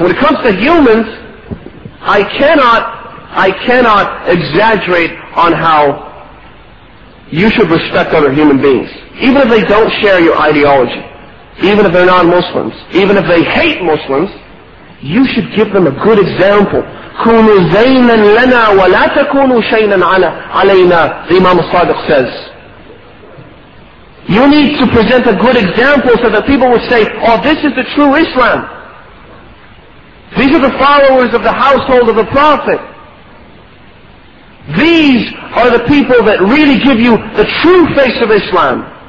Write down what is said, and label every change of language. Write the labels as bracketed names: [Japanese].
[English] When it comes to humans, I cannot exaggerate on how you should respect other human beings. Even if they don't share your ideology, even if they're non-Muslims, even if they hate Muslims, you should give them a good example. [Arabic] كُنُوا زَيْنًا لَنَا وَلَا تَكُونُوا شَيْنًا عَلَيْنَا, [English] the Imam al-Sadiq says. You need to present a good example so that people will say, oh, this is the true Islam. These are the followers of the household of the Prophet. These are the people that really give you the true face of Islam.